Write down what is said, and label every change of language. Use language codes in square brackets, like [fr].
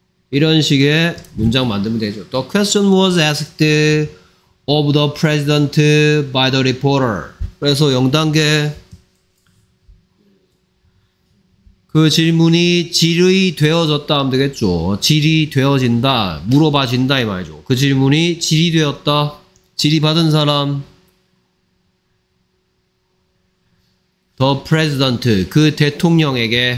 [ko] 이런 식의 문장 만들면 되죠. [en] The question was asked of the president by the reporter. [ko] 그래서 0단계 그 질문이 질의 되어졌다 하면 되겠죠. 질이 되어진다, 물어봐진다 이 말이죠. 그 질문이 질이 되었다. 질의 받은 사람 [en] the president, [ko] 그 대통령에게.